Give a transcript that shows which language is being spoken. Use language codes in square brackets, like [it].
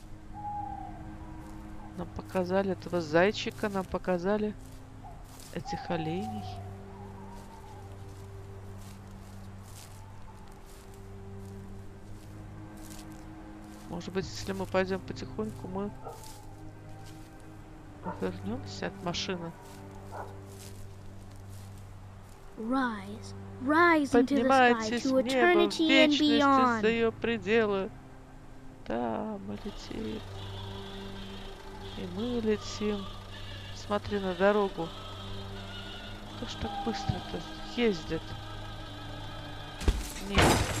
[ru] Нам показали этого зайчика, нам показали этих оленей. Может быть, если мы пойдем потихоньку, мы вернемся от машины. [en] Rise into the sky to eternity and beyond. [ru] Поднимайтесь за ее пределы. Да, мы летим. И мы летим. Смотри на дорогу. Кто ж так быстро-то ездит? Нет.